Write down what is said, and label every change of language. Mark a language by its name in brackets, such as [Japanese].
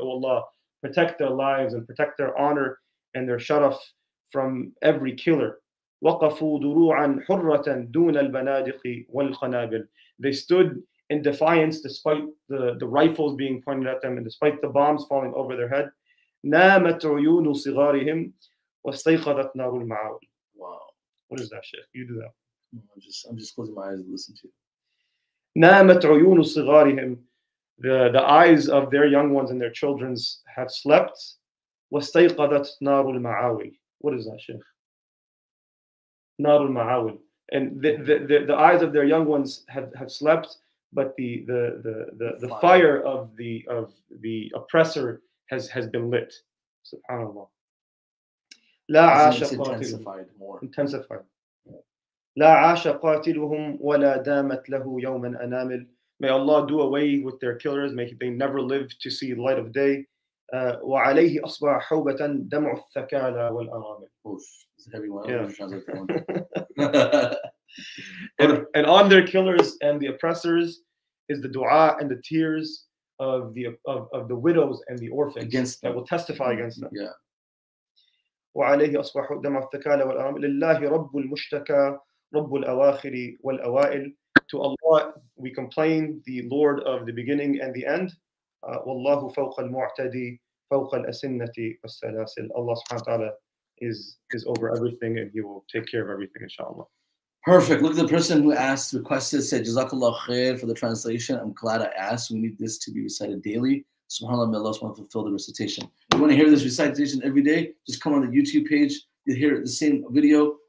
[English] Oh Allah, protect their lives and protect their honor and their sharaf from every killer. [Arabic] Waqafu duru'an hurratan dun al-banadiqi wal-khanabil. [English] They stood in defiance despite the rifles being pointed at them and despite the bombs falling over their head. [Arabic] نامت عيون صغارهم واستيقظت نار المعاول. [English] Wow. What is that, Sheikh? You do that. I'm just closing my eyes and listen to you. [Arabic] نامت عيون صغارهم. [English] The eyes of their young ones and their children have slept. [Arabic] واستيقظت نار المعاول. [English] What is that, Sheikh? [Arabic] نار المعاول. [English] And the eyes of their young ones have slept, but the fire of the oppressor has been lit. Subhanallah. [Arabic] لا عاش قاتلهم. [English] Intensified. [Arabic] لا عاش قاتلهم ولا دامت له يوما أنامل. [English] May Allah do away with their killers. May they never live to see the light of day. [Arabic] وعليه أصبح حوبة دمع الثكالى والأرامل. [English] And on their killers and the oppressors is the dua and the tears of the widows and the orphans against that will testify against them. Yeah. [Arabic] وعليه أصبح دم الثكالى والأرام لله رب المشتكى رب الأواخر والأوائل. [English] To Allah we complain, the Lord of the beginning and the end. [Arabic] والله فوق المعتدي فوق الأسنة والسلاسل. [English] Allah subhanahu wa ta'ala is over everything and he will take care of everything, inshallah. Perfect. Look at the person who asked, requested, said, Jazakallah khair for the translation. I'm glad I asked. We need this to be recited daily. SubhanAllah, may Allah subhanahu wa ta'ala fulfill the recitation. If you want to hear this recitation every day, just come on the YouTube page. You'll hear the same video.